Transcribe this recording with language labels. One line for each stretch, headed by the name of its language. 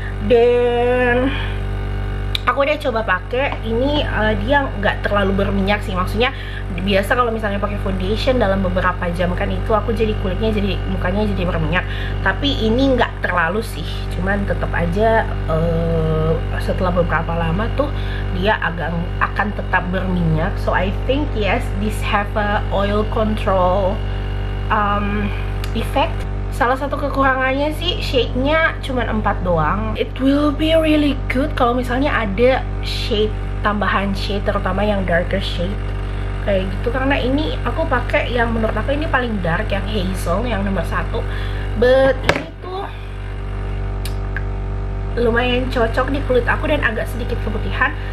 Indonesian: Dan aku udah coba pakai ini, dia nggak terlalu berminyak sih. Maksudnya biasa kalau misalnya pakai foundation dalam beberapa jam kan itu aku jadi kulitnya, jadi mukanya jadi berminyak, tapi ini nggak terlalu sih. Cuman tetap aja setelah beberapa lama tuh dia akan tetap berminyak.
English: So I think yes, this have a oil control effect.
Indonesian: Salah satu kekurangannya sih shade-nya cuma 4 doang.
English: It will be really good
Indonesian: kalau misalnya ada shade tambahan shade, terutama yang darker shade kayak gitu, karena ini aku pakai yang menurut aku ini paling dark, yang hazel yang nomor 1. But ini tuh lumayan cocok di kulit aku dan agak sedikit keputihan.